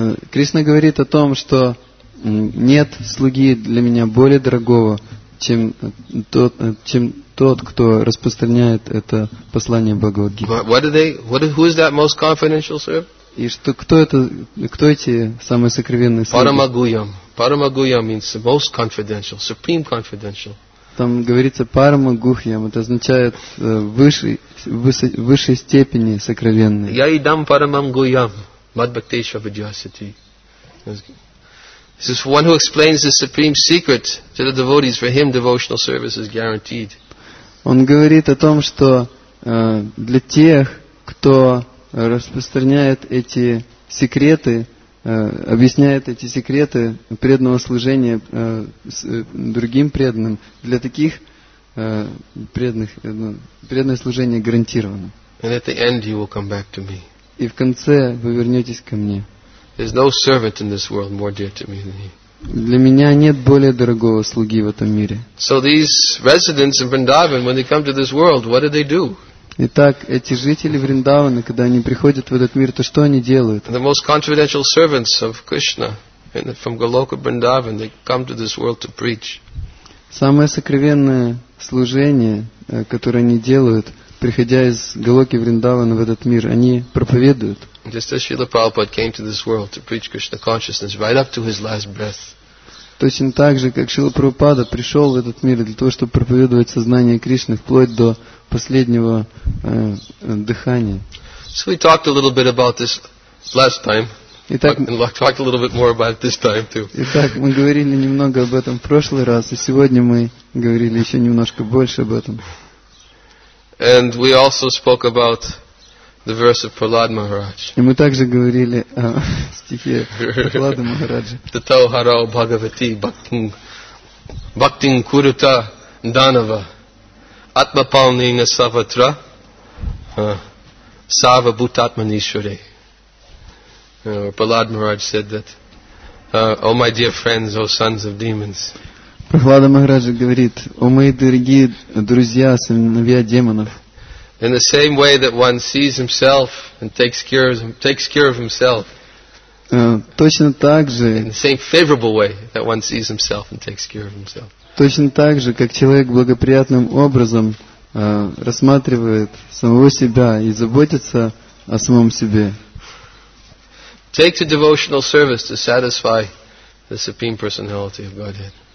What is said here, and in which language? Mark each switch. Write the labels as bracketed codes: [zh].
[ru] Кришна говорит о том, что нет слуги для меня более дорогого, чем тот, кто распространяет это послание Бхагавад-гиты. [en] Who is that most confidential servant? [ru] И что, кто эти самые сокровенные слуги? [sa] Парамагуям. [en] Парамагуям means the most confidential, supreme confidential. [ru] Там говорится парамагухьям, это означает высшей степени сокровенные. [sa] Я идам парамагуям, мадбхактеша виджасити. [en] This is for one who explains the supreme secret to the devotees, for him devotional service is guaranteed. [ru] Он говорит о том, что для тех, кто распространяет эти секреты, объясняет эти секреты преданного служения другим преданным. Для таких преданных преданное служение гарантировано. [en] And at the end you will come back to me. [ru] И в конце вы вернетесь ко мне. [en] There's no servant in this world more dear to me than he. [ru] Для меня нет более дорогого слуги в этом мире. [en] So these residents in Vrindavan, when they come to this world, what do they do? [ru] Итак, эти жители Вриндавана, когда они приходят в этот мир, то что они делают? [en] The most confidential servants of Krishna from Goloka Vrindavan, they come to this world to preach. [ru] Самое сокровенное служение, которое они делают, приходя из Голоки Вриндавана в этот мир, они проповедуют. [en] Just as Srila Prabhupada came to this world to preach Krishna consciousness right up to his last breath. [ru] Точно так же, как Шрила Прабхупада пришел в этот мир для того, чтобы проповедовать сознание Кришны вплоть до последнего дыхания. [en] So we talked a little bit about this last time. Talked a little bit more about this time too. [ru] Итак, мы говорили немного об этом в прошлый раз, и сегодня мы говорили еще немножко больше об этом. [en] And we also spoke about The verse of Prahlad Maharaj. [ru] И мы также говорили о стихе Прахлады Махараджа. [sa] Татау харау бхагавати бхактин курута данава атмапалнина саватра сава бутатманишвари. [en] Prahlad Maharaj said that, O my dear friends, O sons of demons. [ru] Прахлада Махараджа говорит, о мои дорогие друзья, сыновья демонов. [en] In the same way that one sees himself and takes care of himself. [ru] Точно так же. [en] In the same favorable way that one sees himself and takes care of himself. [ru] Точно так же, как человек благоприятным образом рассматривает самого себя и заботится о самом себе. [en] Take to devotional service to satisfy the Supreme Personality of Godhead.